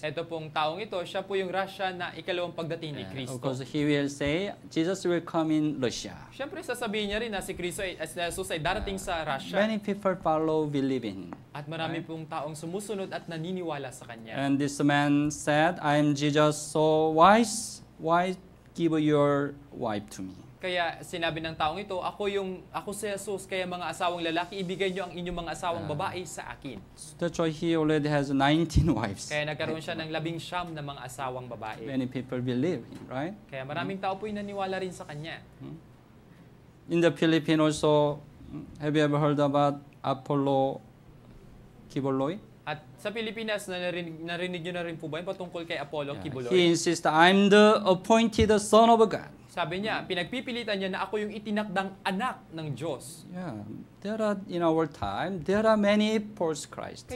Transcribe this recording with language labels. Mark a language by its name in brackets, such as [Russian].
[Filipino] Ito pong taong ito, siya po yung Russia na ikalawang pagdating ni Kristo. [English] Of course, he will say, Jesus will come in Russia. [Filipino] Siyempre, sasabihin niya rin na si Kristo ay, si Jesus ay darating sa Russia. [English] Many people follow, believe in. [Filipino] At marami right? pong taong sumusunod at naniniwala sa kanya. [English] And this man said, I am Jesus, so why give your wife to me? [Filipino] Kaya sinabi ng taong ito, ako si Jesus, kaya mga asawang lalaki, ibigay niyo ang inyong mga asawang babae sa akin. [English] That's why he already has 19 wives. [Filipino] Kaya nagkaroon siya ng 19 na mga asawang babae. [English] Many people believe him, right? [Filipino] Kaya maraming tao po'y naniwala rin sa kanya. [English] In the Philippines also, have you ever heard about Apollo Kiboloy? [Filipino] At sa Pilipinas, narinig nyo na rin po ba yung patungkol kay Apollo Kiboloy? [English] He insists, I'm the appointed son of God. [Filipino] Sabi niya, pinagpipilitan niya na ako yung itinakdang anak ng Diyos. [English] Yeah, there are, in our time, there are many false Christ.